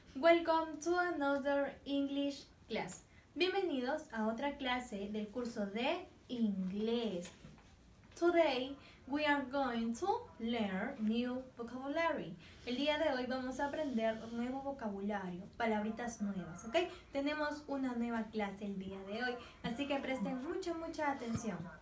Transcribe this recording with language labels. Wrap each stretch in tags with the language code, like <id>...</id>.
<en>Welcome to another English class.</en> <es>Bienvenidos a otra clase del curso de inglés.</es> <en>Today, we are going to learn new vocabulary.</en> <es>El día de hoy vamos a aprender nuevo vocabulario, palabritas nuevas, ¿ok? Tenemos una nueva clase el día de hoy, así que presten mucha, mucha atención.</es>